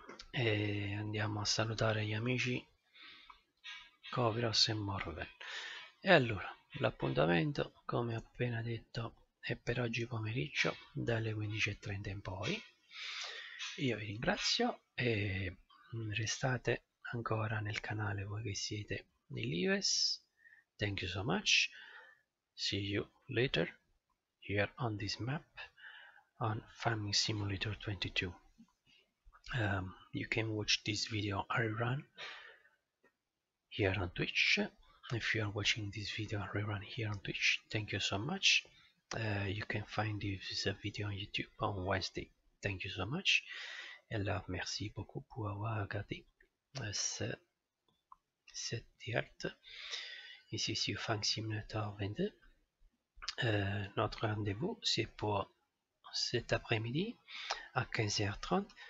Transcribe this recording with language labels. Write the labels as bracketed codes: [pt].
[it] E andiamo a salutare gli amici Coviros e Morven. E allora l'appuntamento, come appena detto, è per oggi pomeriggio dalle 15:30 in poi. Io vi ringrazio e restate ancora nel canale voi che siete in Lives. [en] Thank you so much, see you later here on this map on Farming Simulator 22. You can watch this video rerun here on Twitch. If you are watching this video rerun here on Twitch, thank you so much. You can find this video on YouTube on Wednesday. Thank you so much. [fr] Et là, merci beaucoup pour avoir regardé cette direct. Ici, sur Farming Simulator 22. Notre rendez-vous, c'est pour cet après-midi à 15h30.